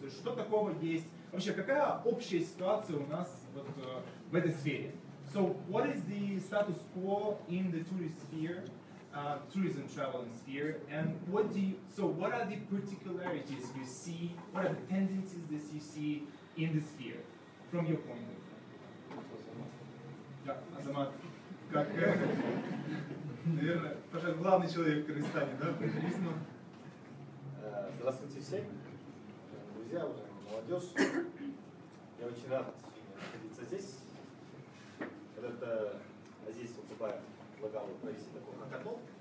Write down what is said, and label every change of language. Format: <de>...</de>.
<ru>То есть что такого есть? Вообще, какая общая ситуация у нас вот в этой сфере?</ru> <en>So what is the status quo in the tourist sphere? Tourism traveling sphere, and what are the particularities you see, what are the tendencies that you see in the sphere from your point of view?</en> <ru>Азамат, как, наверное, пожалуй, главный человек в Кыргызстане, да, по туризму. Здравствуйте все, друзья, молодежь. Я очень рад находиться здесь. Когда-то здесь выступаю, предлагал провести такой хакатон.</ru>